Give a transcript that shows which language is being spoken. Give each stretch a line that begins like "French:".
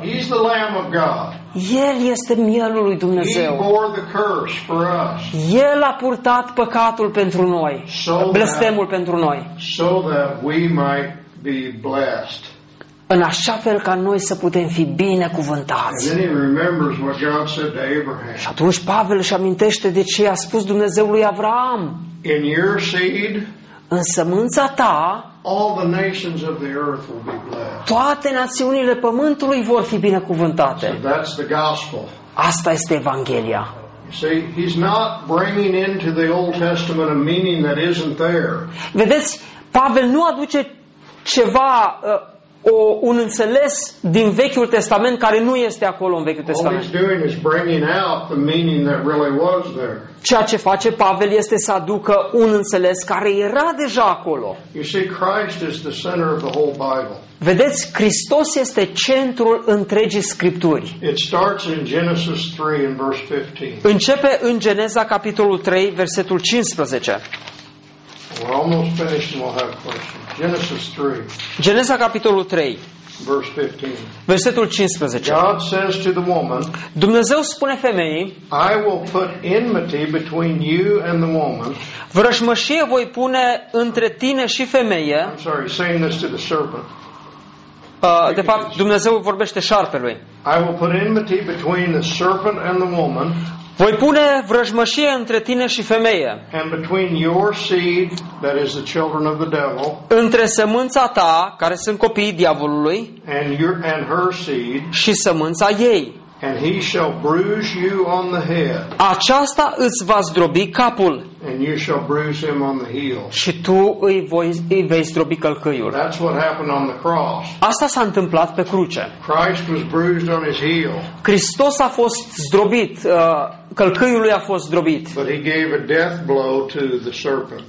English: He's the Lamb of God.
Romanian: El este mielul lui Dumnezeu.
English: He bore the curse for us.
Romanian: El a purtat păcatul pentru noi. Blestemul pentru noi.
English: So that we might be blessed.
Romanian: În așa fel ca noi să putem fi binecuvântați.
English: And then he remembers what God said to Abraham.
Romanian: Și atunci Pavel își amintește de ce i-a spus Dumnezeu lui Avraam.
English: In your seed,
Romanian: în sămânța ta,
English: all the nations of the earth will be blessed.
Romanian: Toate națiunile pământului vor fi binecuvântate.
English: So that's the gospel.
Romanian: Asta este Evanghelia.
English: See, he's not bringing into the Old Testament a meaning that isn't there.
Romanian: Vedeți, Pavel nu aduce ceva, un înțeles din Vechiul Testament care nu este acolo în Vechiul Testament.
English: All he's doing is bringing out the meaning that really was there.
Romanian: Ceea ce face Pavel este să aducă un înțeles care era deja acolo.
English: You see, Christ is the center of the whole Bible.
Romanian: Vedeți, Hristos este centrul întregii Scripturi.
English: It starts in Genesis 3 and verse 15.
Romanian: Începe în Geneza capitolul 3, versetul 15.
English: We're almost finished and we'll have questions. Genesis 3.
Romanian: Geneza capitolul 3.
English: Verse 15.
Romanian: Versetul 15.
English: God says to the woman,
Romanian: Dumnezeu spune femeii,
English: I will put enmity between you and the woman.
Romanian: Vrășmășie voi pune între tine și femeie.
English: I'm sorry, saying this to the serpent.
Romanian: De fapt, Dumnezeu vorbește șarpelui.
English: I will put enmity between the serpent and the woman.
Romanian: Voi pune vrăjmășie între tine și femeie.
English: And between your seed, that is the children of the devil.
Romanian: Între sămânța ta, care sunt copiii diavolului.
English: And her seed.
Romanian: Și sămânța ei.
English: And he shall bruise you on the head.
Romanian: Aceasta îți va zdrobi capul.
English: And you shall bruise him on the heel.
Romanian: Și tu îi vei zdrobi călcâiul.
English: That's what happened on the cross.
Romanian: Asta s-a întâmplat pe cruce.
English: Christ was bruised on his heel.
Romanian: Hristos a fost zdrobit, călcâiul lui a fost zdrobit.
English: But he gave a death blow to the serpent.